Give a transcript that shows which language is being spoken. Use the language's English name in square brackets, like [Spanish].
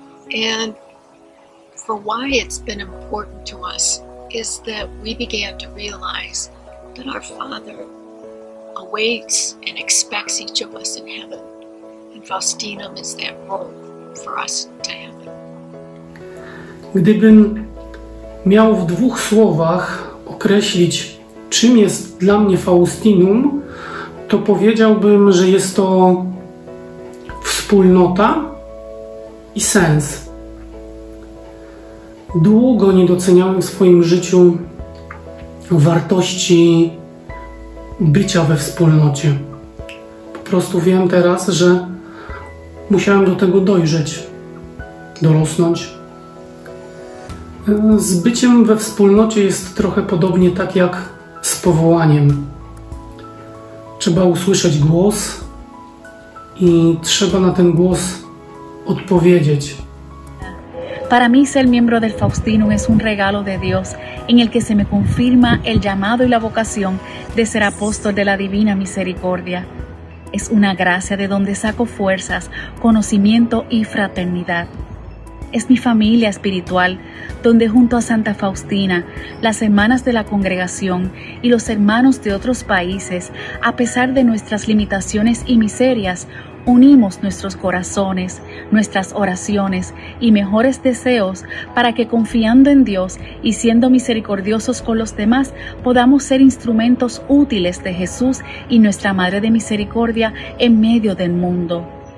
[English] And for why it's been important to us is that we began to realize that our Father awaits and expects each of us in heaven, and Faustina is that role for us to heaven. [Polish] Gdybym miał w dwóch słowach określić, czym jest dla mnie Faustinum, to powiedziałbym, że jest to wspólnota i sens. Długo nie doceniałem w swoim życiu wartości bycia we wspólnocie. Po prostu wiem teraz, że musiałem do tego dojrzeć, dorosnąć. Z byciem we wspólnocie jest trochę podobnie tak jak z powołaniem. Trzeba usłyszeć głos i trzeba na ten głos odpowiedzieć. [Spanish] Para mí ser miembro del Faustino es un regalo de Dios en el que se me confirma el llamado y la vocación de ser apóstol de la Divina Misericordia. Es una gracia de donde saco fuerzas, conocimiento y fraternidad. Es mi familia espiritual, donde junto a Santa Faustina, las hermanas de la congregación y los hermanos de otros países, a pesar de nuestras limitaciones y miserias, unimos nuestros corazones, nuestras oraciones y mejores deseos para que confiando en Dios y siendo misericordiosos con los demás, podamos ser instrumentos útiles de Jesús y nuestra Madre de Misericordia en medio del mundo.